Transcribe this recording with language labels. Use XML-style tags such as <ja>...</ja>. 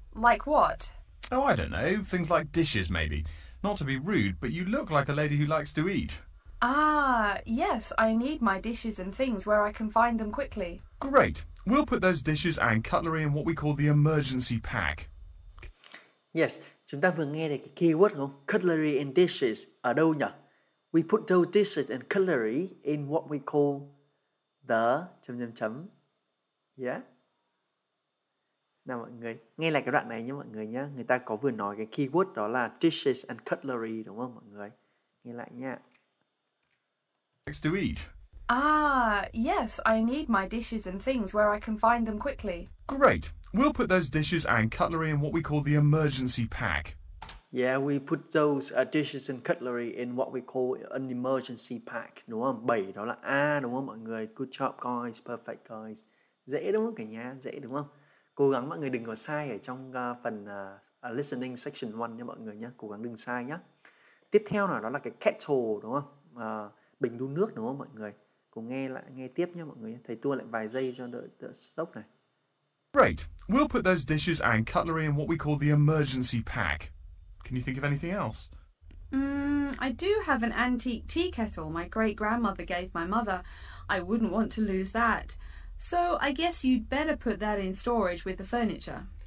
<en>Like what? Oh, I don't know. Things like dishes, maybe. Not to be rude, but you look like a lady who likes to eat. Ah, yes, I need my dishes and things where I can find them quickly. Great. We'll put those dishes and cutlery in what we call the emergency pack.</en> <vi>Yes, chúng ta vừa nghe được cái keyword không?</vi> <en>Cutlery and dishes</en> <vi>ở đâu nhỉ?</vi> <en>We put those dishes and cutlery in what we call the... Yeah?</en> <vi>Nào mọi người, nghe lại cái đoạn này nhé mọi người nhé. Người ta có vừa nói cái keyword đó là</vi> <en>dishes and cutlery</en> <vi>đúng không mọi người? Nghe lại nha.</vi> <en>Next to eat. Ah, yes, I need my dishes and things where I can find them quickly. Great. We'll put those dishes and cutlery in what we call the emergency pack. Yeah, we put those dishes and cutlery in what we call an emergency pack.</en> <vi>Đúng không? 7 đó là A, đúng không mọi người?</vi> <en>Good job, guys. Perfect, guys.</en> <vi>Dễ đúng không cả nhà? Dễ đúng không? Cố gắng mọi người đừng có sai ở trong phần listening section 1 nha mọi người nhé. Cố gắng đừng sai nhé. Tiếp theo nào đó là cái kettle, đúng không? Bình đun nước đúng không mọi người? Cùng nghe lại nghe tiếp nha mọi người. Thầy tua lại vài giây cho đỡ sốc này. Great. We'll put those dishes and cutlery in what we call the emergency pack. Can you think of anything else? I do have an antique tea kettle my great grandmother gave my mother. I wouldn't want to lose that. So I guess you'd better put that in storage with the furniture.</vi>